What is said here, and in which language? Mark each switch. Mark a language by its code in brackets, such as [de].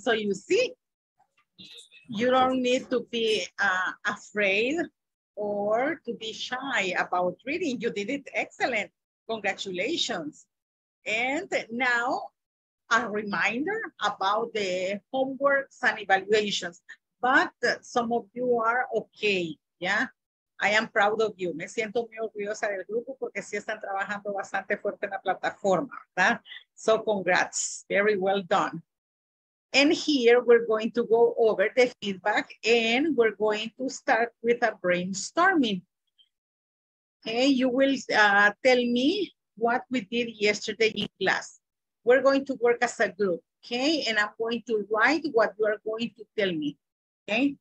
[en] So you see, you don't need to be afraid or to be shy about reading. You did it excellent. Congratulations. And now a reminder about the homeworks and evaluations, but some of you are okay, yeah? I am proud of you. [es] Me siento muy orgullosa del grupo porque sí están trabajando bastante fuerte en la plataforma, ¿verdad? [en] So congrats, very well done. And here we're going to go over the feedback and we're going to start with a brainstorming. Okay, you will tell me what we did yesterday in class. We're going to work as a group, okay? And I'm going to write what you are going to tell me, okay?